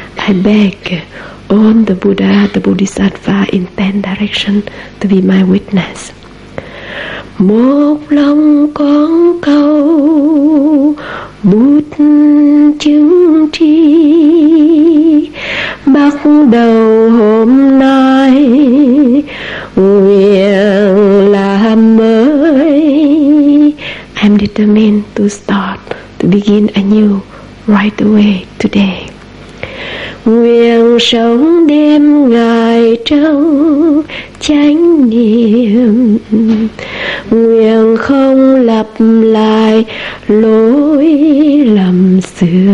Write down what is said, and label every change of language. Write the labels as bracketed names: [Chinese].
[English] I beg on the Buddha, the Bodhisattva in 10 direction to be my witness. [Vietnamese] Một lòng con cầu bút chứng tri, bắt đầu hôm nay nguyện làm mới. [English] I'm determined to start, to begin anew right away today. [Vietnamese] Nguyện sống đêm ngày trong chánh niệm, nguyện không lặp lại lỗi lầm xưa.